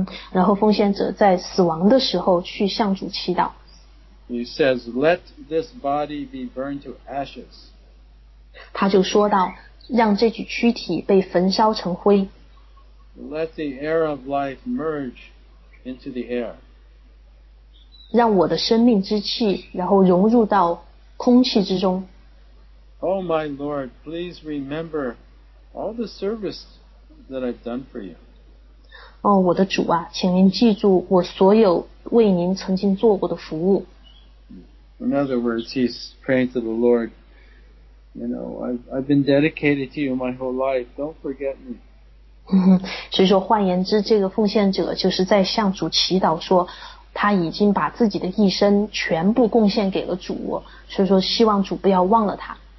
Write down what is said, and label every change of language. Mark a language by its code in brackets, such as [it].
[zh] 然后奉献者在死亡的时候去向主祈祷。 [en] He says, "Let this body be burned to ashes." [zh] 他就说道。让这具躯体被焚烧成灰。 [en] Let the air of life merge into the air. [zh] 让我的生命之气然后融入到空气之中。 [en] Oh my Lord, please remember all the service that I've done for you. [zh] 我的主啊，请您记住我所有为您曾经做过的服务。 [en] In other words, he's praying to the Lord,You know, I've been dedicated to you my whole life. Don't forget me. [zh] 所以说，换言之，这个奉献者就是在向主祈祷说，他已经把自己的一生全部贡献给了主，所以说希望主不要忘了他。